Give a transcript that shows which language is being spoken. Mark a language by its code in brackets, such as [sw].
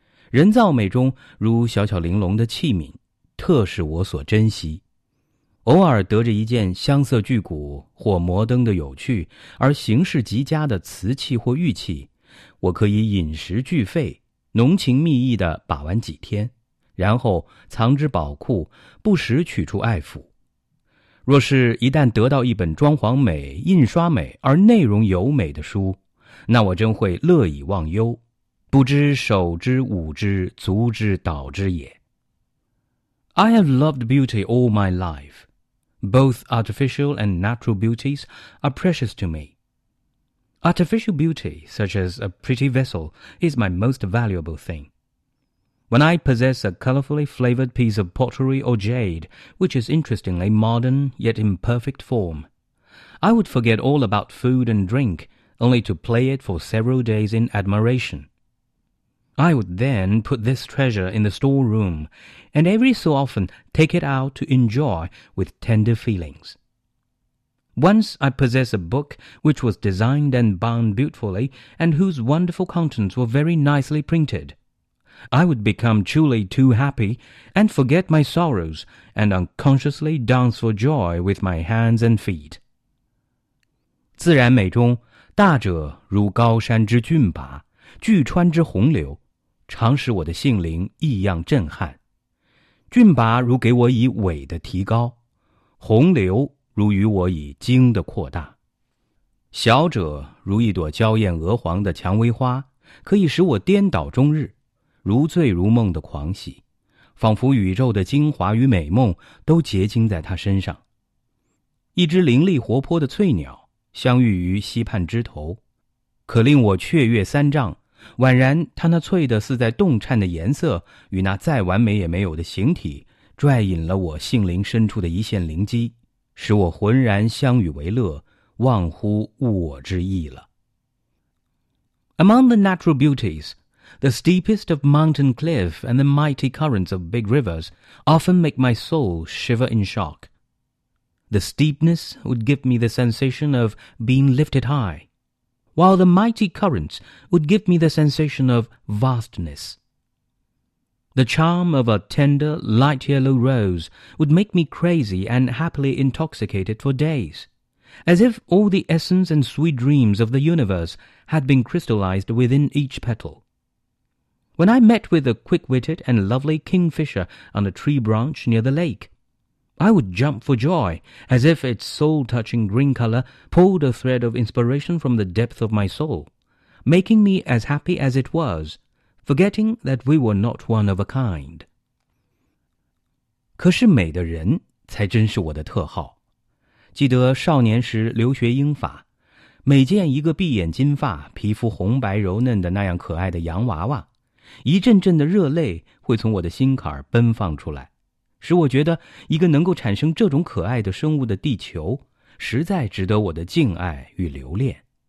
[zh] 人造美中如小巧玲珑的器皿特是我所珍惜偶尔得着一件香色巨古或摩登的有趣而形式极佳的瓷器或玉器我可以饮食俱废浓情蜜意地把玩几天然后藏之宝库不时取出爱抚。若是一旦得到一本装潢美、印刷美而内容优美的书，那我真会乐以忘忧，不知手之舞之足之蹈之也。 [en] I have loved beauty all my life. Both artificial and natural beauties are precious to me. Artificial beauty, such as a pretty vessel, is my most valuable thing. When I possess a colorfully flavored piece of pottery or jade, which is interestingly modern yet in perfect form, I would forget all about food and drink, only to play it for several days in admiration. I would then put this treasure in the storeroom, and every so often take it out to enjoy with tender feelings. Once I possess a book which was designed and bound beautifully, and whose wonderful contents were very nicely printed, I would become truly too happy, and forget my sorrows, and unconsciously dance for joy with my hands and feet. [zh] 自然美中，大者如高山之峻拔，巨川之洪流，常使我的性灵异样震撼。峻拔如给我以伟的提高，洪流如与我以精的扩大。小者如一朵娇艳鹅黄的蔷薇花，可以使我颠倒终日，如醉如梦的狂喜，仿佛宇宙的精华与美梦都结晶在他身上。一只伶俐活泼的翠鸟相遇于溪畔枝头，可令我雀跃三丈，宛然他那翠的似在动颤的颜色与那再完美也没有的形体，拽引了我性灵深处的一线灵机，使我浑然相与为乐，忘乎我之意了。 [en] Among the natural beautiesThe steepest of mountain cliff and the mighty currents of big rivers often make my soul shiver in shock. The steepness would give me the sensation of being lifted high, while the mighty currents would give me the sensation of vastness. The charm of a tender, light yellow rose would make me crazy and happily intoxicated for days, as if all the essence and sweet dreams of the universe had been crystallized within each petal. When I met with a quick-witted and lovely kingfisher on a tree branch near the lake, I would jump for joy, as if its soul-touching green color pulled a thread of inspiration from the depth of my soul, making me as happy as it was, forgetting that we were not one of a kind. [zh] 可是美的人才真是我的特号。记得少年时留学英法，每见一个闭眼金发、皮肤红白柔嫩的那样可爱的洋娃娃，一阵阵的热泪会从我的心坎奔放出来，使我觉得一个能够产生这种可爱的生物的地球，实在值得我的敬爱与留恋。